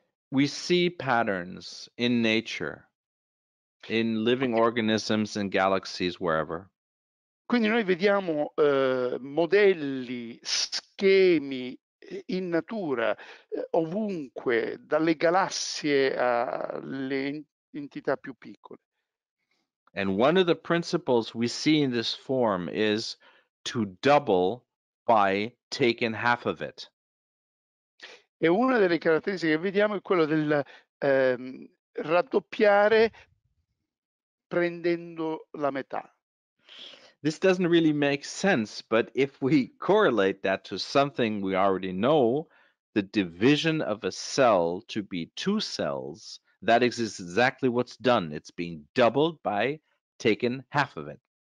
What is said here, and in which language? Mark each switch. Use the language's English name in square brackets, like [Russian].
[English] We see patterns in nature, in living organisms and galaxies, wherever. [Italian] Quindi noi vediamo modelli, schemi in natura, ovunque, dalle galassie alle entità più piccole. [English] And one of the principles we see in this form is to double by taking half of it. [Italian] E una delle caratteristiche che vediamo è quella del raddoppiare prendendo la metà. [English] This doesn't really make sense, but if we correlate that to something we already know, the division of a cell to be two cells, that is exactly what's done. It's being doubled by taking half of it.